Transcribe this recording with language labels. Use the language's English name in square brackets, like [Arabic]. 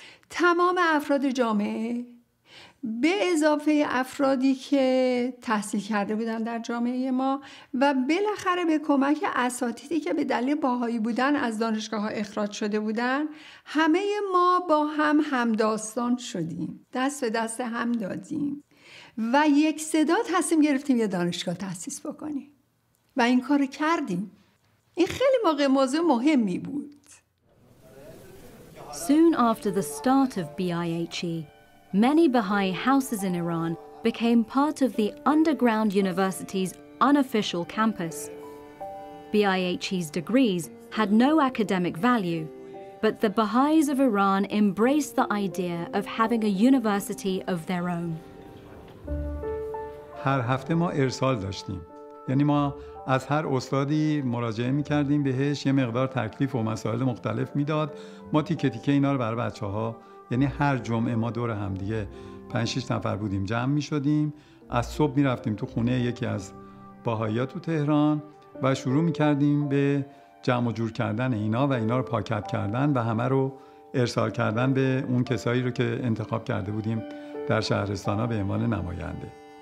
[Persian] تمام افراد جامعه به اضافه افرادی که تحصیل کرده بودن در جامعه ما و بالاخره به کمک اساتیدی که به دلیل باهایی بودن از دانشگاه ها اخراج شده بودن، همه ما با هم همداستان شدیم، دست به دست هم دادیم و یک صدا تصمیم گرفتیم یه دانشگاه تأسیس بکنیم و این کار رو کردیم. این خیلی موضوع مهمی بود. [English] Soon after the start of BIHE, many Baha'i houses in Iran became part of the underground university's unofficial campus. BIHE's degrees had no academic value, but the Baha'is of Iran embraced the idea of having a university of their own. [Persian] هر هفته ما ارسال داشتیم، یعنی ما از هر استادی مراجعه می‌کردیم، بهش یه مقدار تکلیف و مسائل مختلف می‌داد، ما تیکه تیکه اینا رو برای بچه‌ها، یعنی هر جمعه ما دور هم دیگه 5-6 نفر بودیم جمع می‌شدیم، از صبح می‌رفتیم تو خونه یکی از باهائیات تو تهران و شروع می‌کردیم به جمع و جور کردن اینا و اینا رو پاکت کردن و همه رو ارسال کردن به اون کسایی رو که انتخاب کرده بودیم در شهرستان‌ها به عنوان نماینده.